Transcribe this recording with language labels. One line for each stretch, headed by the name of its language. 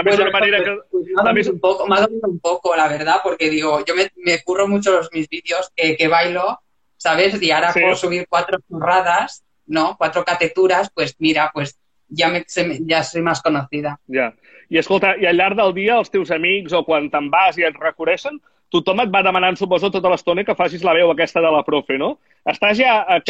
Catalan: També és una manera que... M'ha donat
Spanish: un poco, la verdad, porque digo, yo me curro mucho los mis vídeos que bailo, ¿sabes? Y ahora puedo subir 4 chorradas, ¿no? 4 cateturas, pues mira, pues ya soy más conocida.
Catalan: Ja. I escolta, i al llarg del dia els teus amics o quan te'n vas i et reconeixen, tothom et va demanant, suposo, tota l'estona que facis la veu aquesta de la profe, no? Estàs ja...